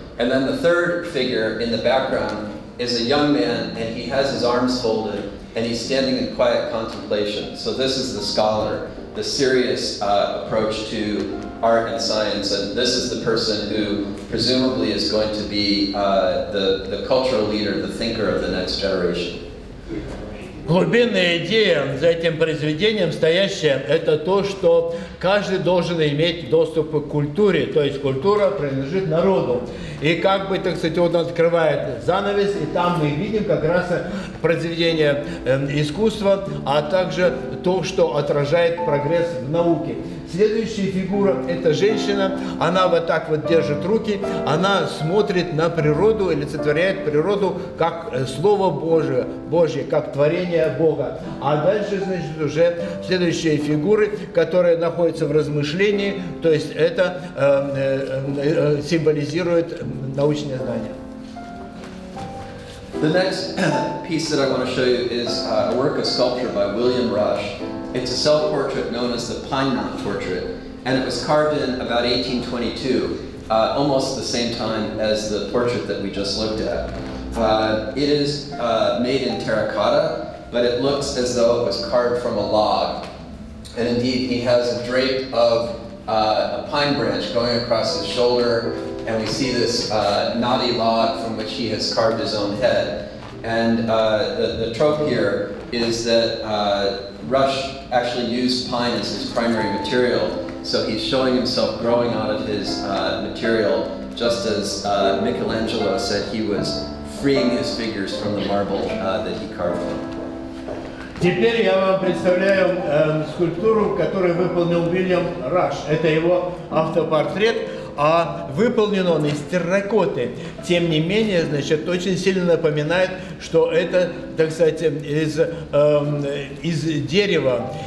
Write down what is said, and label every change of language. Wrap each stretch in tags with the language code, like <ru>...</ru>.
<en>And then the third figure in the background is a young man, and he has his arms folded, and he's standing in quiet contemplation. So this is the scholar, the serious approach to art and science, and this is the person who presumably is going to be the cultural leader, the thinker of the next generation.</en> <ru>Глубинная идея за этим произведением стоящая – это то, что каждый должен иметь доступ к культуре, то есть культура принадлежит народу. И как бы, так сказать, он открывает занавес, и там мы видим как раз произведение искусства, а также то, что отражает прогресс в науке. Следующая фигура – это женщина, она вот так вот держит руки, она смотрит на природу, олицетворяет природу как Слово Божие, Божье, как творение Бога. А дальше, значит, уже следующие фигуры, которые находятся в размышлении, то есть это символизирует научное знание.</ru> <en>The next piece that I want to show you is a work of sculpture by William Rush. It's a self-portrait known as the Pine Knot Portrait, and it was carved in about 1822, almost the same time as the portrait that we just looked at. It is made in terracotta, but it looks as though it was carved from a log. And indeed, he has a drape of a pine branch going across his shoulder, and we see this knotty log from which he has carved his own head. And the trope here is that Rush actually used pine as his primary material, so he's showing himself growing out of his material, just as Michelangelo said he was freeing his figures from the marble that he carved from.</en> <ru>Теперь я вам представляю скульптуру, которую выполнил Уильям Раш. Это его автопортрет. А выполнен он из терракоты. Тем не менее, значит, очень сильно напоминает, что это, так сказать, из дерева.</ru>